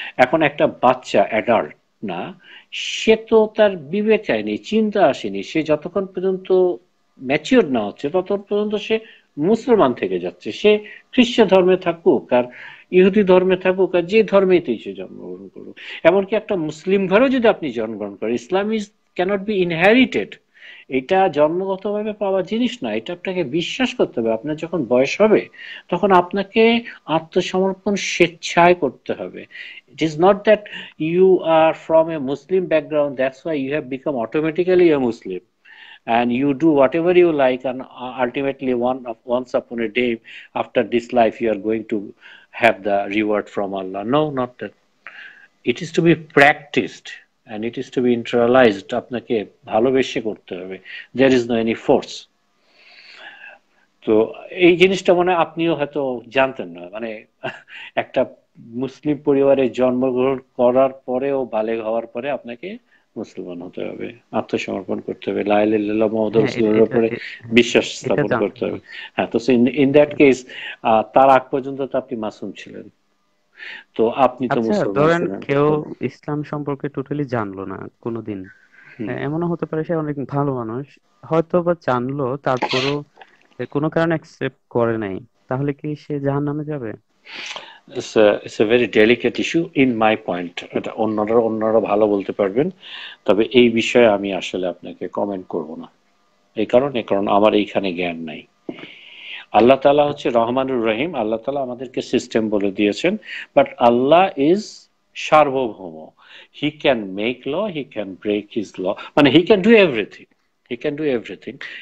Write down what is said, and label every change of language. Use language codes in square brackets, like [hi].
[bn] এখন একটা বাচ্চা অ্যাডাল্ট না, সে তো তার বিবেক আইনি চিন্তা আসেনি, সে যতক্ষণ পর্যন্ত ম্যাচিওর না হচ্ছে ততক্ষণ পর্যন্ত সে মুসলমান থেকে যাচ্ছে, সে খ্রিস্ট ধর্মে থাকুক আর ইহুদি ধর্মে থাকুক আর যে ধর্মেই সে জন্মগ্রহণ করুক, এমনকি একটা মুসলিম ঘরেও যদি আপনি জন্মগ্রহণ করেন, [en] Islam is cannot be inherited, [bn] এটা জন্মগত ভাবে পাওয়া জিনিস না, এটা আপনাকে বিশ্বাস করতে হবে। আপনার যখন বয়স হবে তখন আপনাকে আত্মসমর্পণ স্বেচ্ছায় করতে হবে। [en] It is not that you are from a Muslim background that's why you have become automatically a Muslim, and you do whatever you like, and ultimately once upon a day after this life you are going to have the reward from Allah. No, not that. It is to be practiced and it is to be internalized. [bn] আপনাকে ভালোবেসে করতে হবে. [en] There is no any force. [bn] তো এই জিনিসটা মানে আপনিও হয়তো জানতেন না, মানে একটা মুসলিম পরিবারে জন্মগ্রহণ করার পরেও বালেগ হওয়ার পরে আপনাকে মুসলমান হতে হবে, আত্মসমর্পণ করতে হবে, লা ইলাহা ইল্লাল্লাহ মুহাম্মদুর রাসূলুল্লাহর উপরে বিশ্বাস স্থাপন করতে হবে. হ্যাঁ, তো [en] in that case [bn] তার আগ পর্যন্ত তো আপনি মাসুম ছিলেন, তো আপনি তো মুসলমান. ধরেন কেউ ইসলাম সম্পর্কে টোটালি জানলো না কোনোদিন, এমনও হতে পারে সে অনেক ভালো মানুষ, হয়তো বা জানলো তারপরও কোনো কারণে অ্যাকসেপ্ট করে নাই, তাহলে কি সে জাহান্নামে যাবে? [en] It's a very delicate issue in my point. [bn] এটা অন্যরা অন্যরা ভালো বলতে পারবেন, তবে এই বিষয়ে আমি আসলে আপনাকে কমেন্ট করব না, এই কারণে কারণ আমার এইখানে জ্ঞান নাই. আল্লাহ তাআলা হচ্ছে রহমানুর রহিম, আল্লাহ তাআলা আমাদেরকে সিস্টেম বলে দিয়েছেন, [en] But Allah is সার্বভৌম, he can make law, he can break his law, মানে he can do everything, he can do everything.